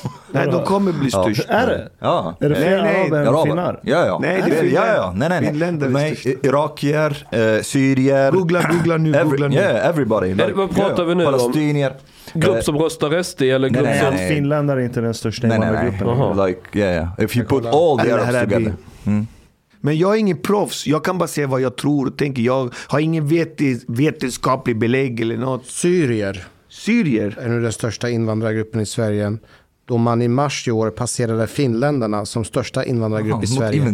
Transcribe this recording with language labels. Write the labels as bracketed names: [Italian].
[Swedish] Nej, de kommer bli störst. Är det? Ja. Är det fler araber än finnar? Ja. Nej, det är fler. Nej. Finländare är störst. Irakier, syrier. Googla nu. [English] Yeah, everybody. [Swedish] Vad pratar vi nu om? Palestinier. Grupp som röstar SD eller grupp som finländare är inte den största invandrargruppen. [English] Like if you put all the Arabs together. Mm. [Swedish] Men jag är ingen proffs. Jag kan bara säga vad jag tror och tänker. Jag har ingen vetenskaplig belägg eller något. Syrier är nu den största invandrargruppen i Sverige. Då man i mars i år passerade finländarna som största invandrargrupp i Sverige.